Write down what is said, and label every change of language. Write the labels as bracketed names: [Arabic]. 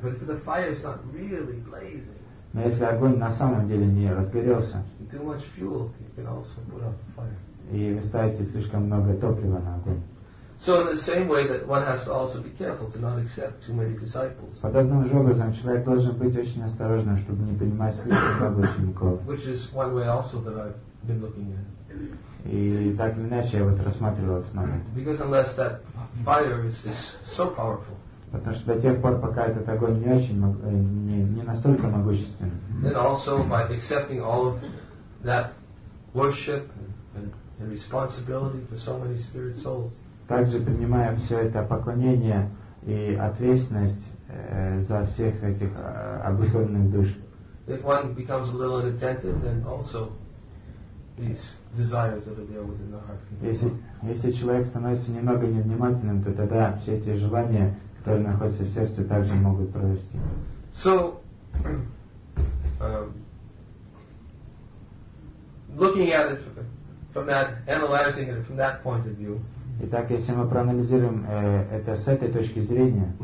[English] But if the fire is not really blazing. [Russian] Но если огонь на самом деле не разгорелся. [English] Too much fuel can also put out the fire. [Russian] И вы ставите слишком много топлива на огонь. [English] So in the same way that one has to also be careful to not accept too many disciples. [Russian] Подобным же образом человек должен быть очень осторожным, чтобы не принимать слишком много учеников. [English] Which is one way also that I've been looking at. [Russian] И так или иначе я вот рассматривал этот момент. [English] Because unless that fire is so powerful. [Russian] Потому что до тех пор, пока этот огонь не очень, не настолько могущественный. [English] Then also by accepting all of that worship and responsibility for so many spirit souls. [Russian] Также принимая все это поклонение и ответственность за всех этих обусловленных душ. [English] If one becomes a little inattentive, then also these desires that are there within the heart. [Russian] Если человек становится немного невнимательным, то тогда все эти желания, которые находятся в сердце, также могут прорасти. [English] So, looking at it from that, analyzing it from that point of view. [Russian] Итак, если мы проанализируем это с этой точки зрения,